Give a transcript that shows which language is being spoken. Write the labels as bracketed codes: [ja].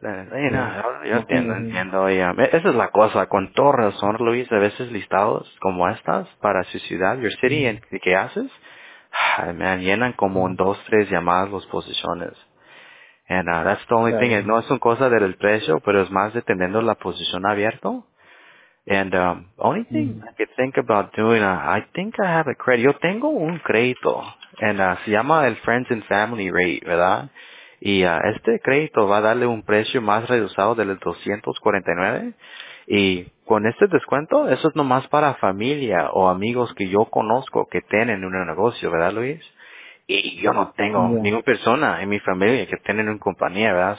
[es] Yo entiendo. Y, esa es la cosa, con toda razón, Luis, a veces listados como estas para su ciudad, [en] your city, [es] uh-huh. ¿Qué haces? Me llenan como en 2-3 llamadas las posiciones. [en] And that's the only thing. [es] No es una cosa del precio, pero es más dependiendo de la posición abierta. [en] And only thing I could think about doing, I think I have a credit. [es] Yo tengo un crédito. And se llama el Friends and Family Rate, ¿verdad? Y este crédito va a darle un precio más reducido del 249. Y con este descuento, eso es nomás para familia o amigos que yo conozco que tienen un negocio, ¿verdad, Luis? Y yo no tengo ninguna persona en mi familia que tienen una compañía, ¿verdad?